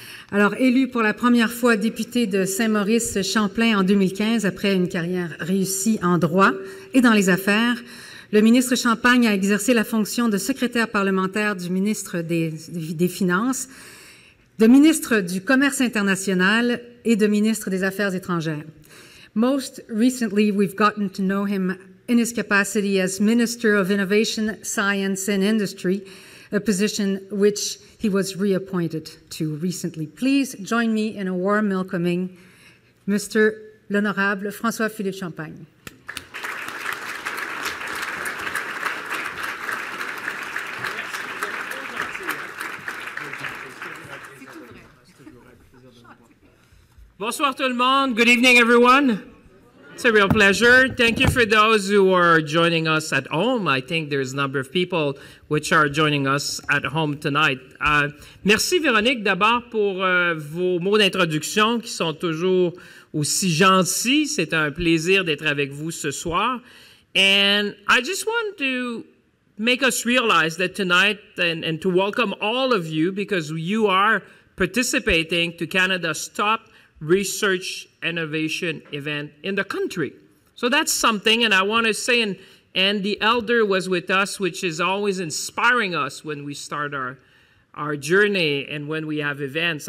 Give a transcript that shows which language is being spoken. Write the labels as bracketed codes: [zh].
[fr] Alors, élu pour la première fois député de Saint-Maurice-Champlain en 2015, après une carrière réussie en droit et dans les affaires, le ministre Champagne a exercé la fonction de secrétaire parlementaire du ministre des Finances, de ministre du Commerce international et de ministre des Affaires étrangères. [en] Most recently, we've gotten to know him in his capacity as Minister of Innovation, Science and Industry, a position which he was reappointed to recently. Please join me in a warm welcoming Mr. [fr] l'honorable François-Philippe Champagne. Bonsoir tout le monde. [en] Good evening, everyone. It's a real pleasure. Thank you for those who are joining us at home. I think there's a number of people which are joining us at home tonight. [fr] Merci, Véronique, d'abord pour vos mots d'introduction qui sont toujours aussi gentils. C'est un plaisir d'être avec vous ce soir. [en] And I just want to make us realize that tonight and to welcome all of you because you are participating to Canada's top research innovation event in the country. So that's something, and I want to say, and the elder was with us, which is always inspiring us when we start our journey and when we have events.